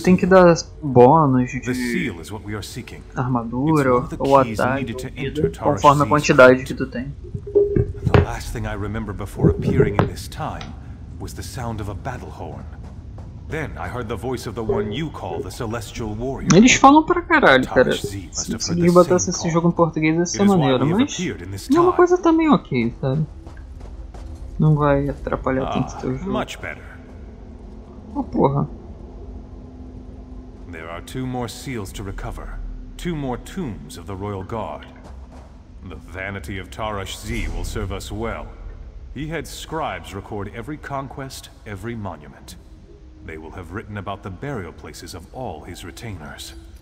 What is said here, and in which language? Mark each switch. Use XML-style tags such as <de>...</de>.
<pt>Tem que dar bônus de</pt> <en>the seal is what we are seeking.</en> <pt>Armadura ou ataque, conforme a quantidade que tu tem.</pt> <en>The last thing I remember before appearing in this time was the sound of a battle horn. Then I heard the voice of the one you call the Celestial Warrior.</en> <pt>Eles falam pra caralho, cara. Se eu botasse esse jogo em português, ia ser maneiro, mas é uma coisa também ok, sabe? Não vai atrapalhar tanto o teu jogo.</pt> <en>Much better.</en> <pt>Oh, porra.</pt> <en>There are two more seals to recover. Two more tombs of the Royal Guard. The vanity of Tarish Z will serve us well. He had scribes record every conquest, every monument. They will have written about the burial places of all his retainers.</en>